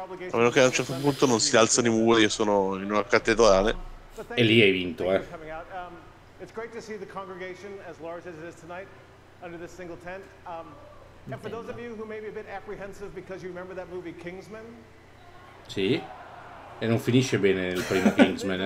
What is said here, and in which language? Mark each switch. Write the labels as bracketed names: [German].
[Italian] A meno che a un certo punto non si alzano i muri e sono in una cattedrale. E lì hai vinto, eh. [English] It's great to see the congregation as large as it is tonight. under this single tent. And for those of you who may be a bit apprehensive because you remember that movie Kingsman. [Italian] Sì. E non finisce bene il primo Kingsman, eh.